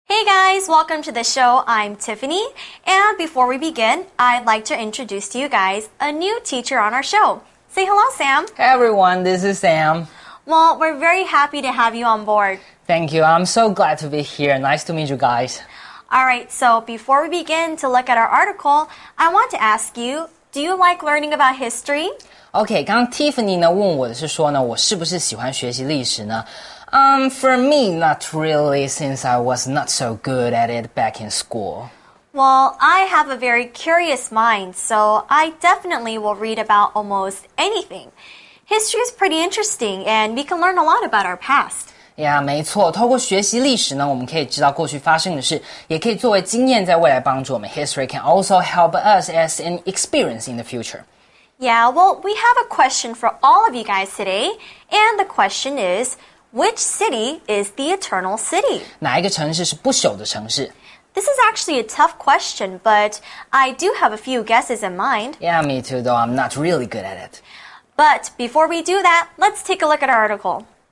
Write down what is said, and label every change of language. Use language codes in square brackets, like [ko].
[en] Hey guys, welcome to the show. I'm Tiffany. And before we begin, I'd like to introduce to you guys a new teacher on our show. Say hello, Sam. Hey everyone, this is Sam. Well, we're very happy to have you on board. Thank you. I'm so glad to be here. Nice to meet you guys. All right, so before we begin to look at our article, I want to ask you, do you like learning about history? [zh] Okay, 刚刚 Tiffany 呢问我的是说呢，我是不是喜欢学习历史呢？ [en] For me, not really, since I was not so good at it back in school. Well, I have a very curious mind, so I definitely will read about almost anything. History is pretty interesting, and we can learn a lot about our past. [zh] Yeah, 没错，透过学习历史呢，我们可以知道过去发生的事，也可以作为经验在未来帮助我们。 [en] History can also help us as an experience in the future. Yeah, well, we have a question for all of you guys today, and the question is, which city is the Eternal City? [zh] 哪一个城市是不朽的城市？ [en] This is actually a tough question, but I do have a few guesses in mind. Yeah, me too, though I'm not really good at it. But before we do that, let's take a look at our article.